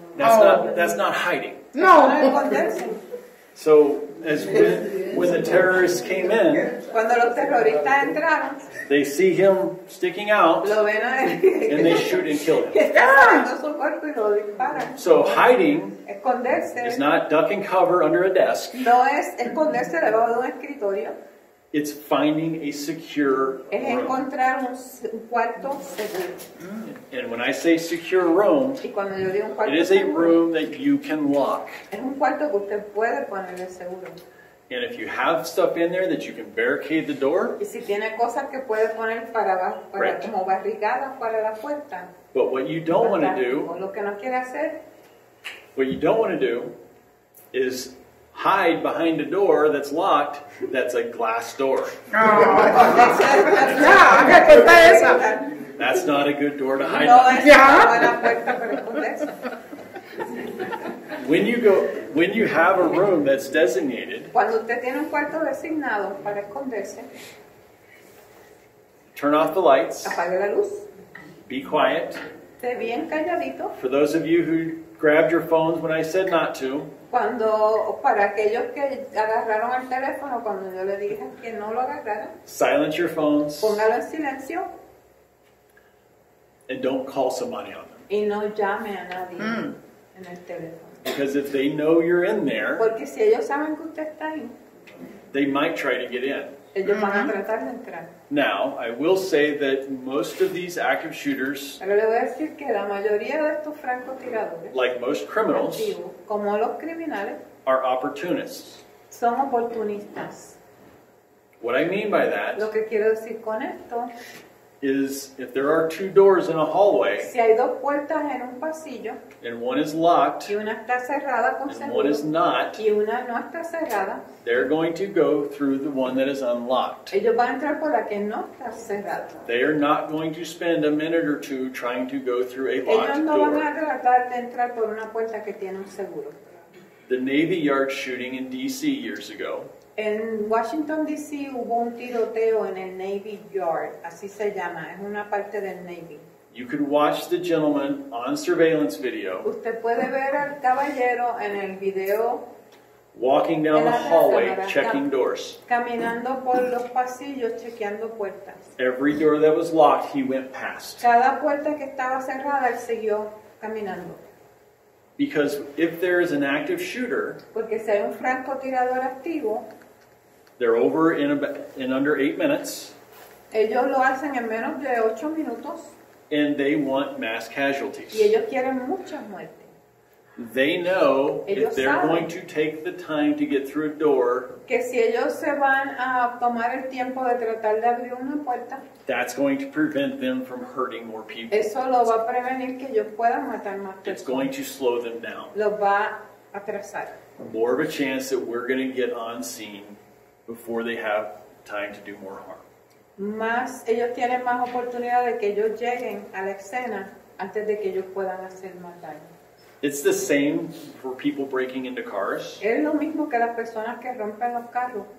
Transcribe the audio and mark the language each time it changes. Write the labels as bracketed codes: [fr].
[en] That's not hiding. [es] No. [en] So, as when the terrorists came in, [es] cuando los terroristas entraron, [en] they see him sticking out, [es] lo ven a él, [en] and they shoot and kill him. [es] Que está sacando su cuerpo y lo disparan. [en] So, hiding [es] esconderse [en] is not duck and cover under a desk. [es] No es esconderse debajo de un escritorio. [en] It's finding a secure room. [es] Es encontrar un cuarto seguro. [en] And when I say secure room, [es] y cuando yo digo un cuarto [en] it is a room that you can lock. [es] Es un cuarto que usted puede ponerle seguro. [en] And if you have stuff in there that you can barricade the door, [es] y si tiene cosas que puede poner como barricadas para la puerta. [en] But what you don't want to do, [es] lo que no quiere hacer, [en] what you don't want to do is hide behind a door that's locked, that's a glass door. That's not a good door to hide behind. When you have a room that's designated, turn off the lights, be quiet. For those of you who grabbed your phones when I said not to, [es] cuando para aquellos que agarraron el teléfono cuando yo le dije que no lo agarraran, [en] silence your phones, [es] póngalo en silencio, [en] and don't call somebody on them, [es] y no llame a nadie en el teléfono, [en] because if they know you're in there, [es] porque si ellos saben que usted está ahí, [en] they might try to get in. [es] Ellos van a tratar de entrar. [en] Now, I will say that most of these active shooters, [es] pero le voy a decir que la mayoría de estos francotiradores, [en] like most criminals, [es] como los criminales, [en] are opportunists. [es] Son oportunistas. [en] What I mean by that, [es] lo que quiero decir con esto, [en] is if there are two doors in a hallway, [es] si hay dos puertas en un pasillo, [en] and one is locked, [es] y una está cerrada con [en] and [es] seguro, [en] one is not, [es] y una no está cerrada, [en] they're going to go through the one that is unlocked. [es] Ellos van a entrar por la que no está cerrada. [en] They are not going to spend a minute or two trying to go through a locked door. [es] Ellos no [en] door. [es] Van a tratar de entrar por una puerta que tiene un seguro. [en] The Navy Yard shooting in D.C. years ago, [es] en Washington, D.C. hubo un tiroteo en el Navy Yard. Así se llama. Es una parte del Navy. [en] You could watch the gentleman on surveillance video. [es] Usted puede ver al caballero en el video. [en] Walking down the hallway, checking doors. [es] Caminando por los pasillos, chequeando puertas. [en] Every door that was locked, he went past. [es] Cada puerta que estaba cerrada, él siguió caminando. [en] Because if there is an active shooter, [es] porque si hay un francotirador activo, [en] they're over in under 8 minutes. [es] Ellos lo hacen en menos de 8 minutos. [en] And they want mass casualties. [es] Y ellos quieren muchas muertes. [en] They know if they're going to take the time to get through a door, [es] que si ellos se van a tomar el tiempo de tratar de abrir una puerta, [en] that's going to prevent them from hurting more people. [es] Eso lo va a prevenir que ellos puedan matar más personas. [en] It's going to slow them down. [es] Los va a atrasar. [en] More of a chance that we're going to get on scene before they have time to do more harm. [es] Más, ellos tienen más oportunidad de que ellos lleguen a la escena antes de que ellos puedan hacer más daño. [en] It's the same for people breaking into cars. [es] Es lo mismo que las personas que rompen los carros.